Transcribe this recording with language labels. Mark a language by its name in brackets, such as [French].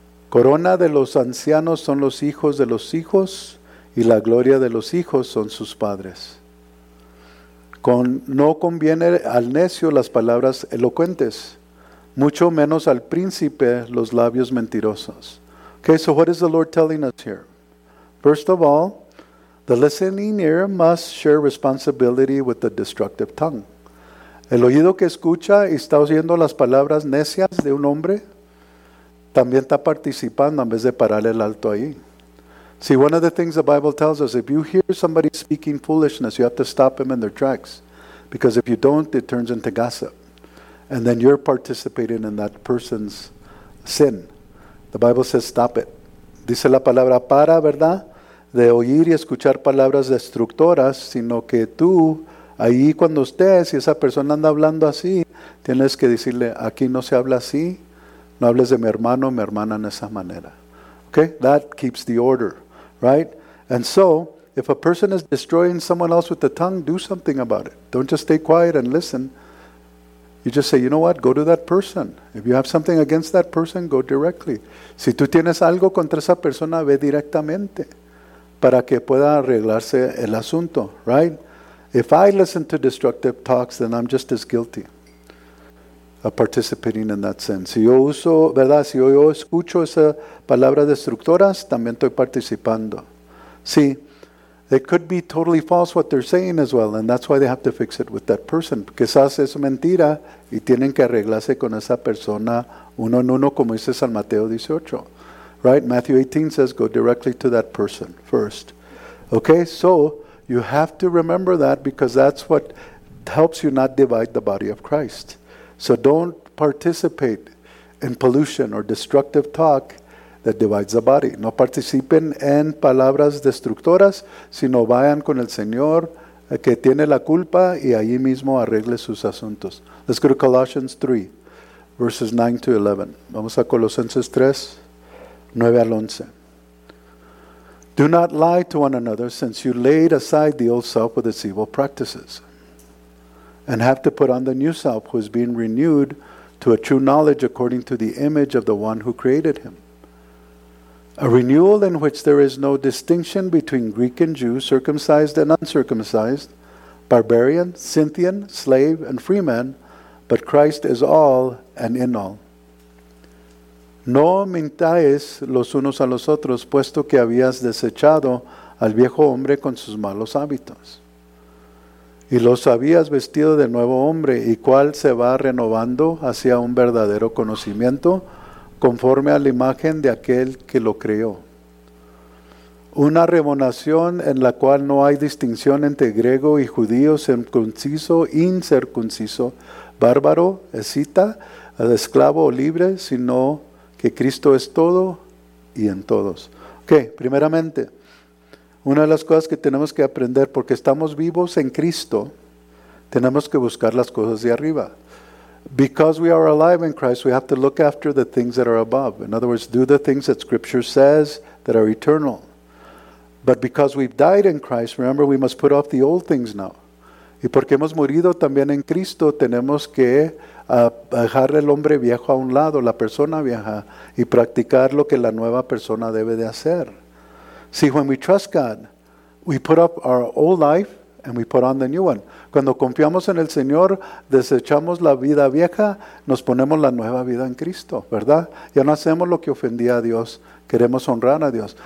[Spanish] Corona de los ancianos son los hijos de los hijos y la gloria de los hijos son sus padres. No conviene al necio las palabras elocuentes, mucho menos al príncipe los labios mentirosos. [English] Okay, so what is the Lord telling us here? First of all, the listening ear must share responsibility with the destructive tongue. [Spanish] El oído que escucha y está oyendo las palabras necias de un hombre también está participando en vez de parar el alto ahí. [English] See, one of the things the Bible tells us, if you hear somebody speaking foolishness, you have to stop them in their tracks. Because if you don't, it turns into gossip. And then you're participating in that person's sin. The Bible says stop it. [Spanish] Dice la palabra para, ¿verdad? De oír y escuchar palabras destructoras, sino que tú, ahí cuando estés, si esa persona anda hablando así, tienes que decirle, aquí no se habla así, no hables de mi hermano o mi hermana en esa manera. [English] Okay, that keeps the order, right? And so, if a person is destroying someone else with the tongue, do something about it. Don't just stay quiet and listen. You just say, you know what, go to that person. If you have something against that person, go directly. [Spanish] Si tú tienes algo contra esa persona, ve directamente para que pueda arreglarse el asunto, right? [English] If I listen to destructive talks, then I'm just as guilty of participating in that sin. [Spanish] Si yo uso, ¿verdad? Si yo escucho esas palabras destructoras, también estoy participando. [English] Sí, it could be totally false what they're saying as well, and that's why they have to fix it with that person. [Spanish] Quizás es mentira y tienen que arreglarse con esa persona uno en uno, como dice San Mateo 18. [English] Right? Matthew 18 says, go directly to that person first. Okay, so you have to remember that because that's what helps you not divide the body of Christ. So don't participate in pollution or destructive talk that divides the body. [Spanish] No participen en palabras destructoras, sino vayan con el Señor que tiene la culpa y allí mismo arregle sus asuntos. [English] Let's go to Colossians 3, verses 9 to 11. [Spanish] Vamos a Colosenses 3, 9 al 11. [English] Do not lie to one another, since you laid aside the old self with its evil practices, and have to put on the new self, who is being renewed to a true knowledge according to the image of the one who created him. A renewal in which there is no distinction between Greek and Jew, circumcised and uncircumcised, barbarian, Scythian, slave, and freeman, but Christ is all and in all. [Spanish] No mintáis los unos a los otros, puesto que habías desechado al viejo hombre con sus malos hábitos. Y los habías vestido de nuevo hombre, y cual se va renovando hacia un verdadero conocimiento, conforme a la imagen de aquel que lo creó. Una renovación en la cual no hay distinción entre griego y judío, circunciso, incircunciso, bárbaro, escita, esclavo o libre, sino que Cristo es todo y en todos. Ok, primeramente, una de las cosas que tenemos que aprender, porque estamos vivos en Cristo, tenemos que buscar las cosas de arriba. [English] Because we are alive in Christ, we have to look after the things that are above. In other words, do the things that Scripture says that are eternal. But because we've died in Christ, remember, we must put off the old things now. [Spanish] Y porque hemos morido también en Cristo, tenemos que dejar el hombre viejo a un lado, la persona vieja, y practicar lo que la nueva persona debe de hacer. [English] See, when we trust God, we put up our old life and we put on the new one. [Spanish] Cuando confiamos en el Señor, desechamos la vida vieja, nos ponemos la nueva vida en Cristo, ¿verdad? Ya no hacemos lo que ofendía a Dios, queremos honrar a Dios.